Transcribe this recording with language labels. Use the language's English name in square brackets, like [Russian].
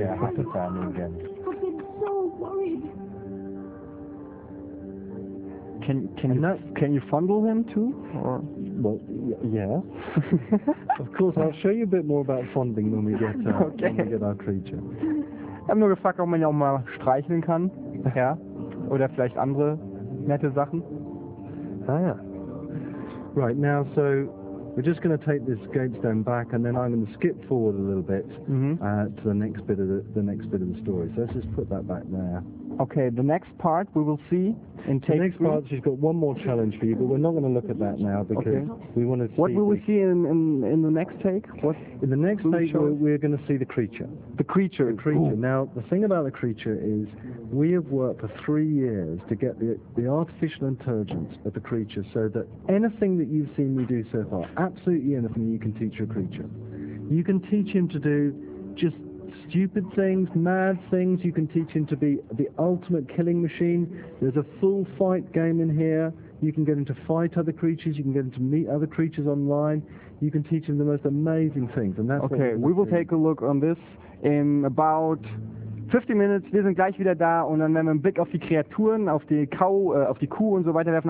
[English] Yeah, happy family again. I've been so worried. Can you fondle him too? Or? Well, yeah. Of course, I'll show you a bit more about fondling when we get when we get our creature. [German] Ich habe nur gefragt, ob man ja auch mal streicheln kann, ja, oder vielleicht andere nette Sachen. Ah ja. [English] Right now, so we're just going to take this gatestone back, and then I'm going to skip forward a little bit to the next bit of the story. So let's just put that back there. Okay, the next part we will see in take the next three. Part, she's got one more challenge for you, but we're not going to look at that now because okay. We want to see... What will we see in the next take? What in the next take, we're going to see the creature. The creature. The creature. Ooh. Now, the thing about the creature is we have worked for 3 years to get the artificial intelligence of the creature so that anything that you've seen me do so far, absolutely anything you can teach a creature. You can teach him to do just... stupid things, mad things. You can teach him to be the ultimate killing machine. There's a full fight game in here. You can get him to fight other creatures. You can get him to meet other creatures online. You can teach him the most amazing things. And that's okay. We will take a look on this in about 50 minutes. [German] Wir sind gleich wieder da und dann werden wir einen Blick auf die Kreaturen, auf die Kau, auf die Kuh und so weiter werfen.